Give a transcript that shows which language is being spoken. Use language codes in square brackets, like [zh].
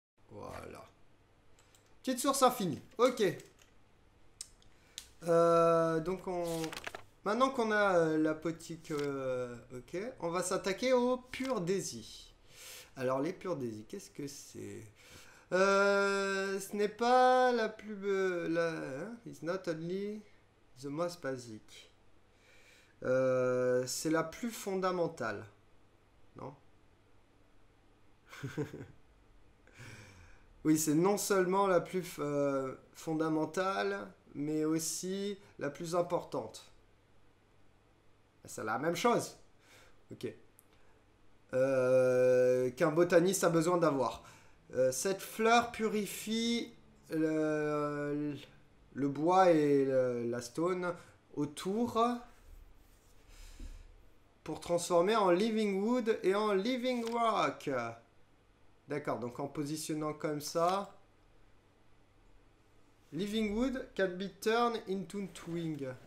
[fr] Voilà. Petite source infinie. Ok. Donc, on... Maintenant qu'on a la potique, ok, on va s'attaquer aux pur daisy. Alors les pur daisy, qu'est-ce que c'est? Ce n'est pas la plus... [en] it's not only the most basic. [fr] C'est la plus fondamentale. Non? Oui, c'est non seulement la plus fondamentale, mais aussi la plus importante. C'est la même chose. Ok. Qu'un botaniste a besoin d'avoir. Cette fleur purifie le bois et la stone autour pour transformer en living wood et en living rock. D'accord, donc en positionnant comme ça. [en] Living wood can be turned into twig.